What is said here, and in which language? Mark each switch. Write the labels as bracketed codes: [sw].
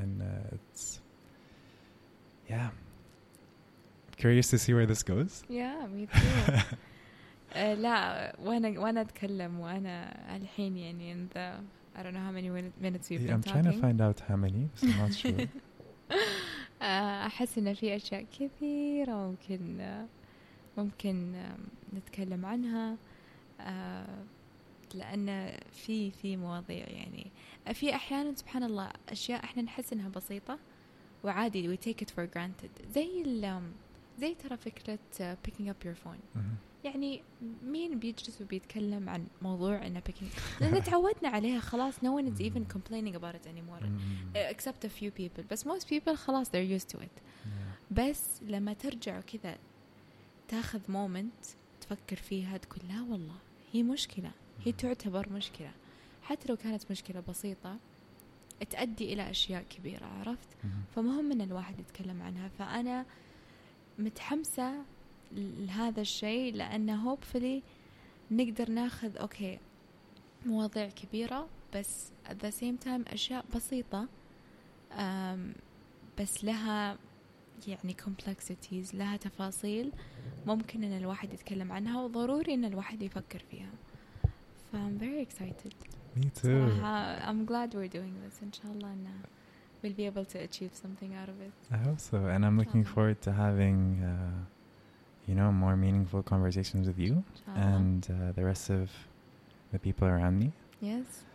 [en] and it's yeah I'm curious to see where this goes yeah me too [ar] لا وأنا أتكلم وأنا الحين يعني [en] in the I don't know how many minutes we've been I'm talking. I'm trying to find out how many, but I'm not sure. [ar] أحس إن في أشياء كثيرة ممكن نتكلم عنها لأن في مواضيع يعني في أحيانا سبحان الله أشياء إحنا نحس إنها بسيطة وعادي [en] we take it for granted [ar] زي ترى فكرة [en] picking up your phone. [ar] يعني مين بيجلس وبيتكلم عن موضوع إنه [en] picking [ar] لأن تعودنا عليها خلاص [en] no one is even complaining about it anymore except a few people but most people [ar] خلاص [en] they're used to it yeah. [ar] بس لما ترجع كذا تأخذ moment تفكر فيها تقول لا والله هي مشكلة هي تعتبر مشكلة حتى لو كانت مشكلة بسيطة تؤدي إلى أشياء كبيرة عرفت فمهم إن الواحد يتكلم عنها فأنا متحمسة لهذا الشيء لأنه [en] hopefully [ar] نقدر ناخذ أوكي مواضيع كبيرة بس [en] at the same time [ar] أشياء بسيطة بس لها يعني complexities لها تفاصيل ممكن أن الواحد يتكلم عنها وضروري أن الواحد يفكر فيها ف [en] I'm very excited me too [ar] صراحة [en] I'm glad we're doing this [ar] إن شاء الله أنه [en] we'll be able to achieve something out of it I hope so and I'm looking forward to having you know, more meaningful conversations with you [ar] Inshallah. [en] And the rest of the people around me. Yes.